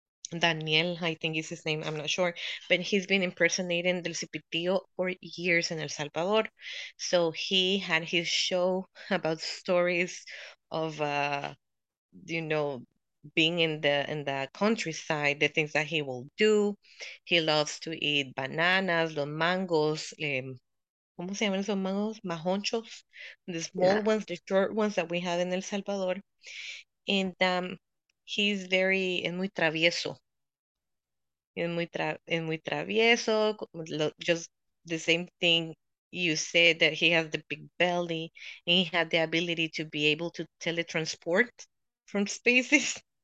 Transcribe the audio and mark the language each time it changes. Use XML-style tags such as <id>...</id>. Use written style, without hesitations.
<en>Daniel, I think is his name, I'm not sure, but he's been impersonating El Cipitio for years in El Salvador. So he had his show about stories of being in the countryside, the things that he will do. He loves to eat bananas, los mangos,</en> <es>¿cómo se llaman esos mangos?</es> <en>Majonchos, the small ones, the short ones that we have in El Salvador. And he's very,</en> <es>es muy travieso. Es muy travieso.</es> <en>Just the same thing you said, that he has the big belly and he had the ability to be able to teletransport from spaces.</en>